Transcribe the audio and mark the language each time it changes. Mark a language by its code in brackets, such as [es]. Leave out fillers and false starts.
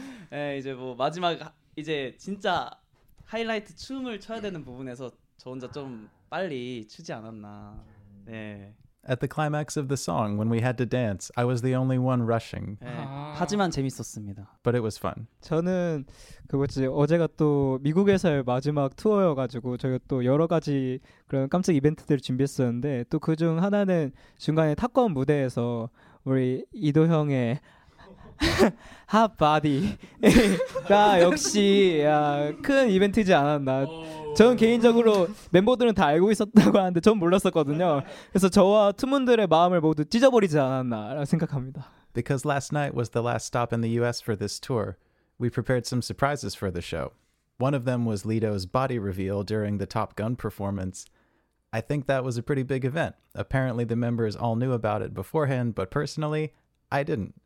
[ko] 네, 이제 뭐 마지막 이제 진짜 하이라이트 춤을 춰야 되는 부분에서 저 혼자 좀 빨리 추지 않았나. 네. [en] At the climax of the song, when we had to dance, I was the only one rushing. [ko] 하지만 재밌었습니다. [en] But it was fun. [ko] 저는 그거지 어제가 또 미국에서의 마지막 투어여가지고 저희가 또 여러 가지 그런 깜짝 이벤트들을 준비했었는데 또 그중 하나는 중간에 탑건 무대에서 우리 이도 형의 핫 바디가 역시 큰 이벤트지 않았나. 저는 개인적으로 멤버들은 다 알고 있었다고 하는데 전 몰랐었거든요. 그래서 저와 투문들의 마음을 모두 찢어버리지 않았나라고 생각합니다. [en] Because last night was the last stop in the US for this tour, we prepared some surprises for the show. One of them was Lido's body reveal during the Top Gun performance. I think that was a pretty big event. Apparently the members all knew about it beforehand, but personally, I didn't.